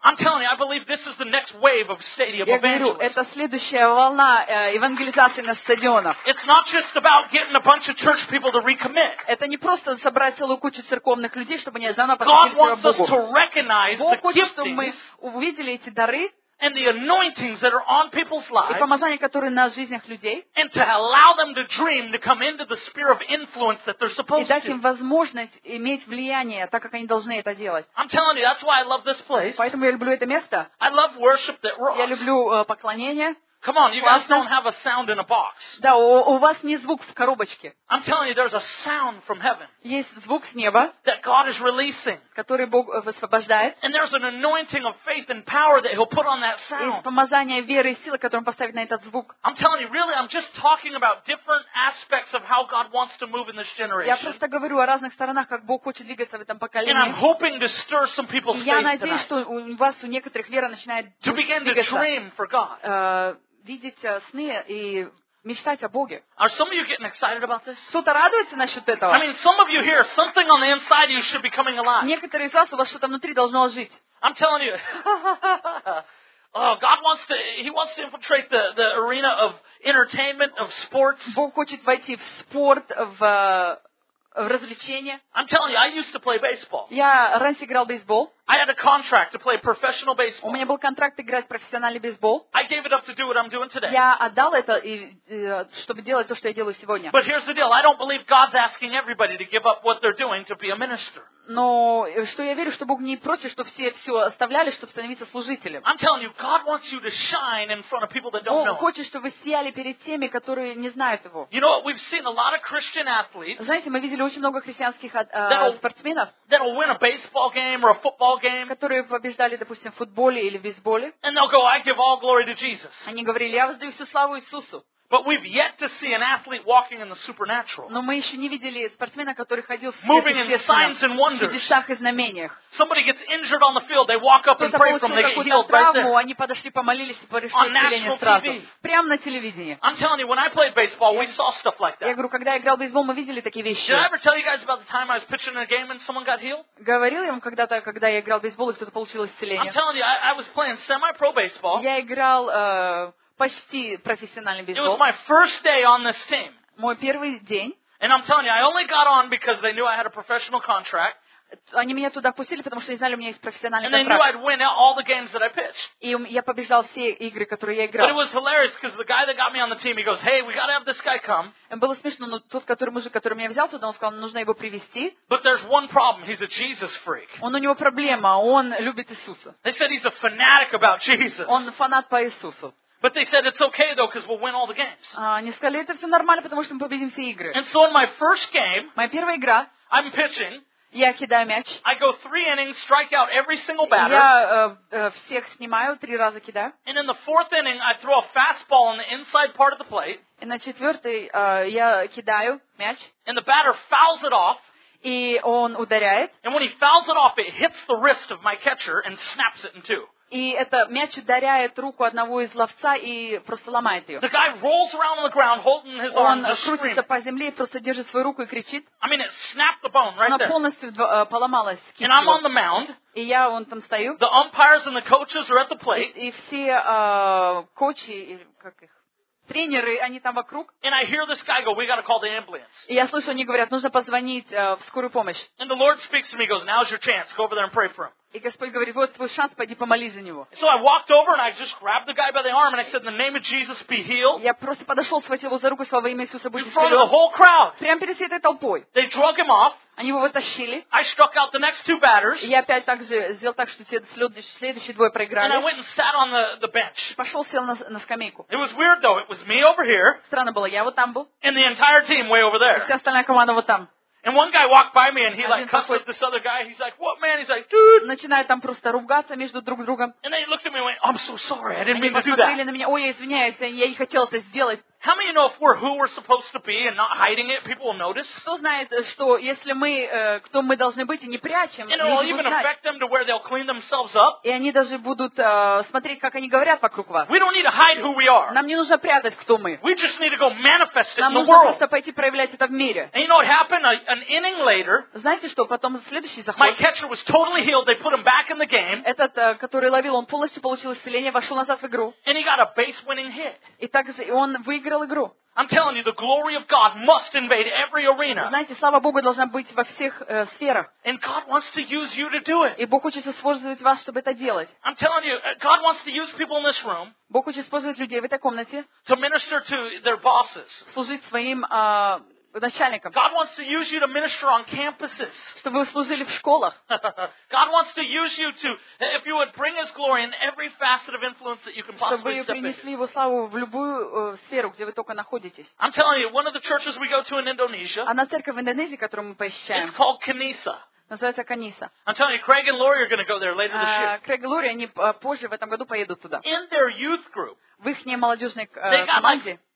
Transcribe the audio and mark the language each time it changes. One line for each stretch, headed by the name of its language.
English: I'm telling you, I believe this is the next wave of stadium evangelism.
Russian: Я говорю, это следующая волна евангелизации на стадионах.
English: It's not just about getting a bunch of church people to recommit.
Russian: Это не просто собрать целую кучу церковных людей, чтобы они заново посвятили себя Богу.
English: God wants us to recognize the gifting.
Russian: Мы увидели эти дары
English: and the anointings that are on people's lives,
Russian: и помазания, которые на жизнях людей,
English: and to allow them to dream to come into the sphere of influence that they're supposed to.
Russian: И дать им возможность иметь влияние, так как они должны это делать.
English: I'm telling you, that's why I love this place.
Russian: Поэтому я люблю это место.
English: I love worship that rocks.
Russian: Я люблю поклонение.
English: Come on, you guys don't have a sound in a box.
Russian: Да, у вас не звук в коробочке.
English: I'm telling you, there's a sound from heaven.
Russian: Есть звук с неба.
English: That God is releasing.
Russian: Который Бог высвобождает.
English: And there's an anointing of faith and power that He'll put on that sound.
Russian: Есть помазание веры и силы, которое Он поставит на этот звук.
English: I'm telling you, really, I'm just talking about different aspects of how God wants to move in this generation.
Russian: Я просто говорю о разных сторонах, как Бог хочет двигаться в этом поколении.
English: And I'm hoping to stir some people's faith tonight.
Russian: Я надеюсь, что у вас у некоторых вера начинает двигаться.
English: To begin to dream for God.
Russian: Видеть сны и мечтать о Боге.
English: Are some of you getting excited about this?
Russian: Кто-то радуется насчет этого?
English: I mean, some of you here, something on the inside you should be coming alive.
Russian: Некоторые из вас, у вас что-то внутри должно ожить.
English: I'm telling you. Oh, God wants to, He wants to infiltrate the arena of entertainment, of sports.
Russian: Бог хочет войти в спорт, в развлечения.
English: I'm telling you, I used to play baseball.
Russian: Я раньше играл в бейсбол.
English: I had a contract to play professional baseball.
Russian: У меня был контракт играть в профессиональный бейсбол.
English: I gave it up to do what I'm doing today.
Russian: Я отдал это, чтобы делать то, что я делаю сегодня.
English: But here's the deal. I don't believe God's asking everybody to give up what they're doing to be a minister.
Russian: Но что я верю, что Бог не просит, чтобы все оставляли, чтобы становиться служителем.
English: I'm telling you, God wants you to shine in front of people that don't know.
Russian: Бог хочет, чтобы вы сияли перед теми, которые не знают его.
English: You know what? We've seen a lot of Christian athletes.
Russian: Знаете, мы видели очень много христианских спортсменов.
English: That'll win a baseball game or a football game.
Russian: Которые побеждали, допустим, в футболе или в бейсболе.
English: And they'll go, I give all glory to Jesus.
Russian: Они говорили, я воздаю всю славу Иисусу.
English: But we've yet to see an athlete walking in the supernatural.
Russian: Но мы еще не видели спортсмена, который ходил в чудесах и знамениях.
English: Somebody gets injured on the field, they walk up and pray for them, they get healed right there.
Russian: Травму, они подошли, помолились и пришли исцеление сразу. Прямо на телевидении.
English: I'm telling you, when I played baseball, we saw stuff like that.
Russian: Я говорю, когда я играл в бейсбол, мы видели такие вещи.
English: Did I ever tell you guys about the time I was pitching in a game and someone got healed?
Russian: Говорил я вам когда-то, когда я играл в бейсбол и кто-то получил исцеление?
English: I'm telling you, I was playing semi-pro baseball.
Russian: Я играл почти профессиональный бейсбол.
English: It was my first day on this team.
Russian: Мой первый день.
English: And I'm telling you, I only got on because they knew I had a professional contract.
Russian: Они меня туда пустили, потому что они знали, у меня есть профессиональный контракт.
English: And they knew I'd win all the games that I pitched.
Russian: И я побеждал все игры, которые я играл.
English: But it was hilarious because the guy that got me on the team, he goes, "Hey, we got to have this guy come."
Russian: Было смешно, но тот, который мужик, который меня взял туда, он сказал, нужно его привести.
English: But there's one problem. He's a Jesus freak.
Russian: Он у него проблема. Он любит Иисуса.
English: They said he's a fanatic about Jesus.
Russian: Он фанат по Иисусу.
English: But they said it's okay though, because we'll win all the games.
Russian: Они сказали, это все нормально, потому что мы победим все игры.
English: And so in my first game,
Russian: моя первая игра,
English: I'm pitching.
Russian: Я кидаю мяч.
English: I go 3 innings, strike out every single batter.
Russian: Я всех снимаю, 3 раза кидаю.
English: And in the 4th inning, I throw a fastball on the inside part of the plate.
Russian: И на четвертой я кидаю мяч.
English: And the batter fouls it off.
Russian: И он ударяет.
English: And when he fouls it off, it hits the wrist of my catcher and snaps it in two.
Russian: И это мяч ударяет руку одного из ловца и просто ломает ее.
English: The guy rolls around on the ground, holding his arms,
Russian: он крутится по земле и просто держит свою руку и кричит.
English: I mean, it snapped the bone right there.
Russian: Она полностью поломалась.
English: And I'm on the mound.
Russian: И я вон там стою.
English: The umpires and the coaches are at the plate.
Russian: И все коучи, как их, тренеры, они там вокруг.
English: And I hear this guy go, "We got to call the ambulance."
Russian: И я слышу, они говорят, нужно позвонить в скорую помощь.
English: And the Lord speaks to me, goes, "Now's your chance. Go over there and pray for him."
Russian: И Господь говорит, вот твой шанс, пойди помолись за него.
English: So I walked over and I just grabbed the guy by the arm and I said, "In the name of Jesus, be healed."
Russian: Я просто подошел, схватил его за руку, сказал, во имя Иисуса, будь исцелен.
English: In front of the whole crowd.
Russian: Прямо перед всей этой толпой.
English: They drug him off.
Russian: Они его вытащили.
English: I struck out the next two batters.
Russian: Я опять так же сделал так, что следующие двое проиграли.
English: And I went and sat on the bench.
Russian: Пошел, сел на скамейку.
English: It was weird though. It was me over here.
Russian: Странно было, я вот там был.
English: And the entire team way over there.
Russian: И вся остальная команда вот там.
English: And one guy walked by me, and he like cussed at this other guy. He's like, "What, man?" He's like, "Dude."
Russian: Начинают там просто ругаться между друг другом.
English: And they looked at me and went, "I'm so sorry. I didn't mean to do that."
Russian: Посмотрели на меня. Ой, я извиняюсь, я не хотел это сделать.
English: How many know if we're who we're supposed to be and not hiding it, people will notice?
Russian: Кто знает, что если мы кто мы должны быть и не прячем,
English: and it'll even affect them to where they'll clean themselves up.
Russian: И они даже будут смотреть, как они говорят вокруг вас.
English: We don't need to hide who we are.
Russian: Нам не нужно прятать, кто мы.
English: We just need to go manifest it in the world.
Russian: Нам нужно просто пойти проявлять это в мире.
English: And you know what happened? An inning later.
Russian: Знаете что? Потом следующий заход.
English: My catcher was totally healed. They put him back in the game.
Russian: Этот, который ловил, он полностью получил исцеление, вошел назад в игру.
English: And he got a base-winning hit.
Russian: И так же он выиграл.
English: I'm telling you, the glory of God must invade every arena.
Russian: Знаете, слава Богу должна быть во всех сферах.
English: And God wants to use you to do it.
Russian: И Бог хочет использовать вас, чтобы это делать.
English: I'm telling you, God wants to use people in this room.
Russian: Бог хочет использовать людей в этой комнате.
English: To minister to their bosses.
Russian: Служить своим начальникам.
English: God wants to use you to minister on campuses.
Russian: Чтобы вы служили в школах.
English: God wants to use you to, if you would bring His glory in every facet of influence that you can possibly step
Russian: Чтобы вы принесли Его славу в любую сферу, где вы только находитесь.
English: I'm telling you, one of the churches we go to in Indonesia.
Russian: Одна церковь в Индонезии, которую мы посещаем.
English: It's called Kanisa.
Russian: Называется Каниса.
English: I'm telling you, Craig and Lori are going to go there later this year.
Russian: Craig и Лори, они позже в этом году поедут туда.
English: In their youth group.
Russian: В их молодежной команде.